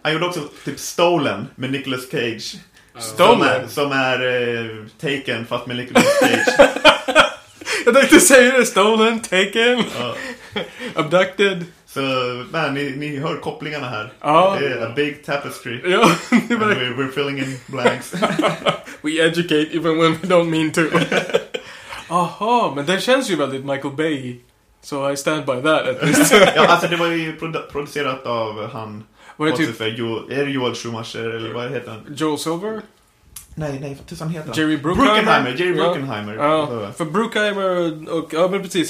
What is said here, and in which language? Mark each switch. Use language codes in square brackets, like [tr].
[sv] Han gjorde också typ Stolen med Nicolas Cage. Stolen? Som är Taken fast med Nicolas Cage. Jag tänkte säga det. Stolen, Taken, Abducted. Så, man, ni hör kopplingarna här. [en] A big tapestry. we're filling in blanks. We educate even when we don't mean to. [sv] Aha, men det känns ju väldigt Michael Bay. [en] So I stand by that at least. [sv] Ja, alltså det var ju producerat av han. Vad typ, är det Joel Schumacher eller vad heter han? Joel Silver? Nej, vad heter han? Jerry Bruckheimer. Jerry Bruckheimer. Ja. För Bruckheimer och... Ja, men precis.